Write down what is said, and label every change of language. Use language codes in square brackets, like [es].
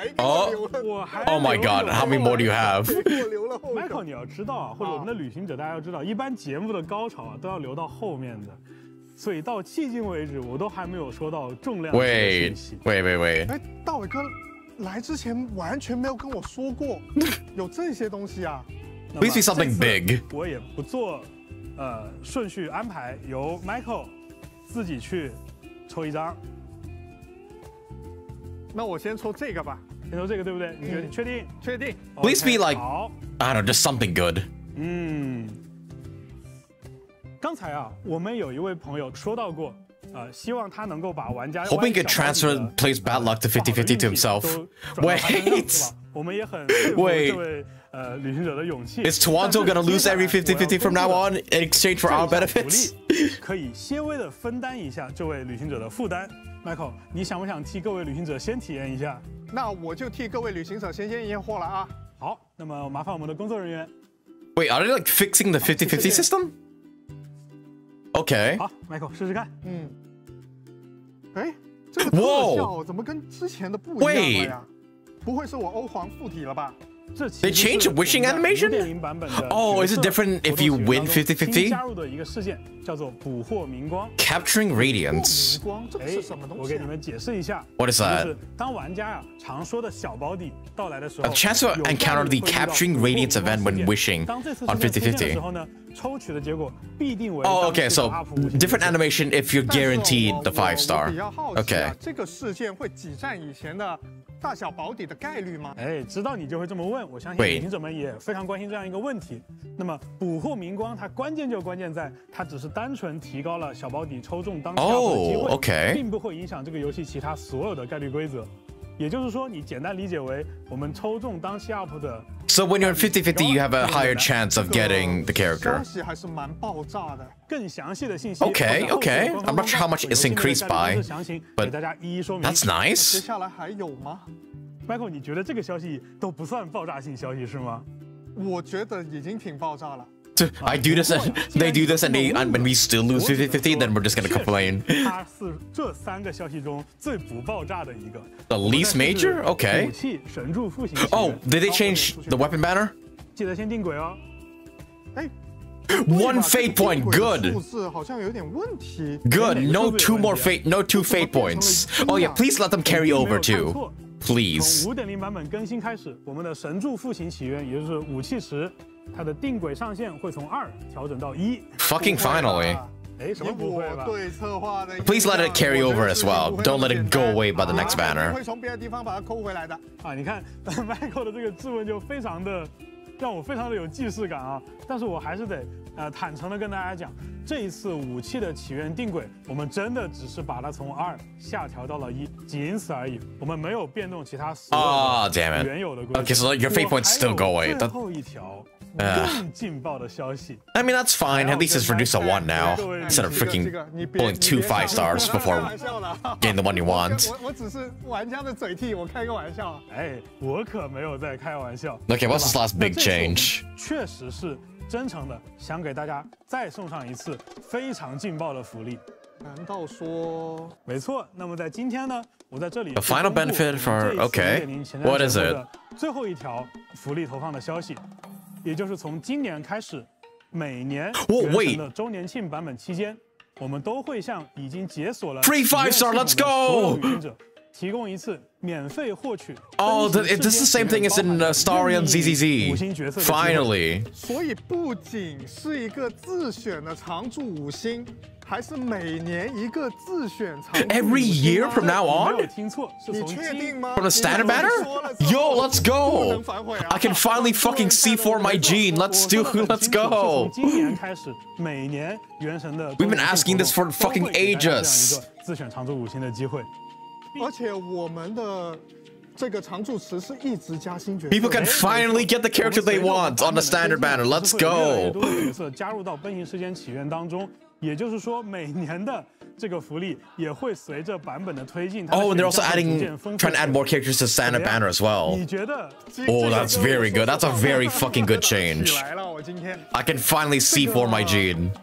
[en] Oh my god, how many more do you have? [zh] Michael, 你要知道啊，或者我们的旅行者大家要知道，一般节目的高潮啊都要留到后面的，所以到迄今为止我都还没有说到重量的信息。 [en] Wait. [zh] 大伟哥。来之前完全没有跟我说过有这些东西啊。 [en] Please be something big. [zh] 我也不做，顺序安排由 Michael 自己去抽一张。那我先抽这个吧，先抽这个对不对？你觉得你确定？确定。 [en] Please be like, I don't know, just something good. [zh] 嗯，刚才啊，我们有一位朋友说到过。希望他能够把玩家 [en] hoping could transfer plays bad luck to 50-50 to himself. Wait. [zh] 我们也很佩服这位旅行者的勇气。 [en] Is Toronto gonna lose every 50-50 from now on in exchange for our benefits? [zh] 可以些微的分担一下这位旅行者的负担。 Michael, 你想不想替各位旅行者先体验一下？那我就替各位旅行者先验验货了啊。好，那么麻烦我们的工作人员。 [en] Wait, are they like fixing the 50-50 system? Okay. [zh] 好 ，Michael， 试试看。嗯。哎，这个特效怎么跟之前的不一样了呀？ [en] Wait. [zh] 不会是我欧皇附体了吧？这其实 [en] They change wishing animation. Oh, is it different if you win 50-50? [zh] 新加入的一个事件叫做捕获明光。 [en] Capturing radiance. [zh] 明光这是什么东西？我给你们解释一下。 [en] What is that? [zh] 就是当玩家呀常说的小保底到来的时候。 [en] A chance to encounter the capturing radiance event when wishing on 50-50. [zh] 当这次事件的时候呢？抽取的结果必定为 [en] Oh, okay, so different animation if you're guaranteed the 5-star. Okay. [zh] 这个事件会挤占以前的大小保底的概率吗？哎，知道你就会这么问，我相信旅行者们也非常关心这样一个问题。那么捕获明光，它关键就关键在它只是单纯提高了小保底抽中当下的机会， [en] okay. [zh] 并不会影响这个游戏其他所有的概率规则。也就是说，你简单理解为我们抽中当下 up 的。 [en] So when you're 50-50, you have a higher chance of getting the character. Okay, okay. I'm not sure how much it's increased by, but that's nice. [zh] 接下来还有吗？Michael, 你觉得这个消息都不算爆炸性消息是吗？我觉得已经挺爆炸了。 [en] I do this and they do this and when we still lose 50-50, then we're just gonna complain. [zh] 它是这三个消息中最不爆炸的一个。 [en] The least major? Okay. [zh] 武器神柱复兴。 [en] Oh, did they change the weapon banner? [zh] 记得先定轨哦。哎。 [en] One fate point, good. [zh] 数字好像有点问题。 [en] Good, no two more fate, no two fate points. Oh yeah, please let them carry over too. Please. [zh] 从 5.0 版本更新开始，我们的神柱复兴起源，也就是武器池。它的定轨上限会从二调整到一。 [en] Fucking finally. [zh] 哎，什么不会吧？对策划的。 [en] Please let it carry over as well. Don't let it go away by the next banner. [zh] 会从别的地方把它抠回来的。啊，你看 ，Michael 的这个质问就非常的，让我非常的有既视感啊。但是我还是得，坦诚的跟大家讲，这一次武器的起源定轨，我们真的只是把它从二下调到了一，仅此而已。我们没有变动其他所有原有的规则。 [en] Okay, so your fate points still go away. [zh] 最后一条。更劲爆的消息。 [en] I mean that's fine. At least it's reduced to one now, instead of freaking pulling two 5-stars before getting the one you want. [zh] 我只是玩家的嘴替，我开个玩笑。哎，我可没有在开玩笑。 [en] Okay, what's this last big change? [zh] 确实是真诚的，想给大家再送上一次非常劲爆的福利。难道说？没错。那么在今天呢，我在这里。 [en] A final benefit for okay. What is it? [zh] 最后一条福利投放的消息。也就是从今年开始，每年原神的周年庆版本期间，我们都会向已经解锁了 [en] Free 5-star，Let's go！ [zh] 所有旅行者提供一次免费获取。 [en] Oh, the, it, this is the same thing as in Starry on ZZZ. Finally. [zh] 所以不仅是一个自选的常驻五星，还是每年一个自选常驻五星。 [en] Every year from now on? [zh] 没有听错，你确定吗 [en] ？From the standard banner? Yo, let's go! I can finally fucking see for my gene. Let's do. Let's go. [zh] 从今年开始，每年原神的。 [en] We've been asking this for fucking ages. [zh] 自选常驻五星的机会。而且我们的这个常驻词是一直加新角色。 [en] People can finally get the character they want on the standard banner. Let's go. [zh] 角色加入到奔行世间起源当中，也就是说每年的这个福利也会随着版本的推进。 [en] Oh, and they're also adding, trying to add more characters to standard banner as well. [zh] 你觉得？ [en] Oh, that's very good. That's a very fucking good change. I can finally see for my gene.